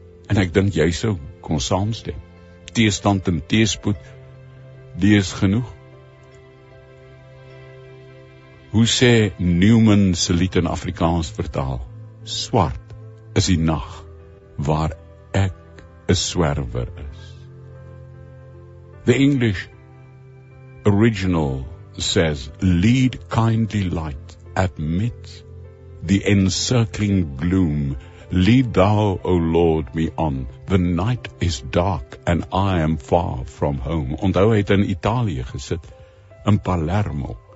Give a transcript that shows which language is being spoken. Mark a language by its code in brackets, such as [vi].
[af] En ek dink jy sou kon saamstem, teestand en teespoed, die is genoeg. Hoe sê Newman se lied in Afrikaans vertaal? Swart is die nag waar ek 'n swerwer is. [en] The English original says, "Lead kindly light amid the encircling gloom. Lead thou, O Lord, me on. The night is dark and I am far from home." [af] Onthou, hy het in Italië gesit, in Palermo.